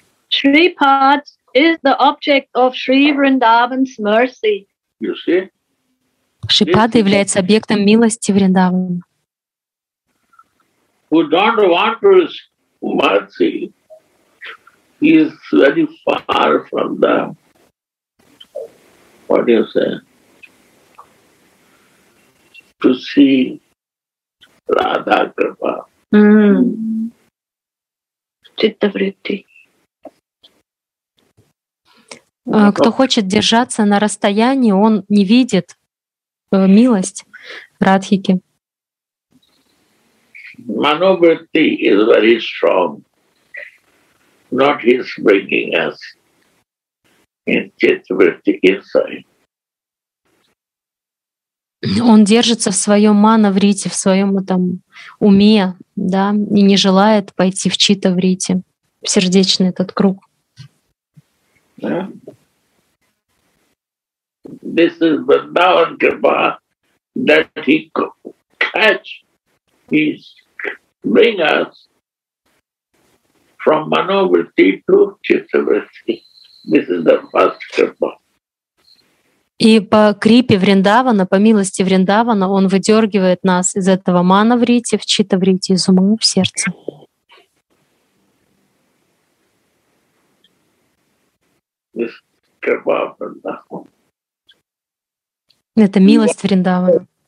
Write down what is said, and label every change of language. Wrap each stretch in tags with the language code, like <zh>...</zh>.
<en>Shripad is the object of Sri Vrindavan's mercy. You see?</en> <ru>Шипада является объектом милости Вриндавана.</ru> <en>Who don't want his mercy, he is very far from the, what do you say, to see Radha Kripa. Chitta Vritti.</en> <ru>Кто хочет держаться на расстоянии, он не видит милость Радхики.</ru> <en>Manobritti is very strong. Not his bringing us in Chitvritti inside.</en> <ru>Он держится в своем мановритти, в своем там уме, да, и не желает пойти в Читавритти, в сердечный этот круг.</ru> <en>This is Vrindavan Kripa that he catch, he bring us from Manovritti to Chitavritti. This is the first Kripa.</en> <ru>И по крипе Вриндавана, по милости Вриндавана, он выдергивает нас из этого мановритти в читавритти, из ума в сердце. Это милость Вриндавана.</ru>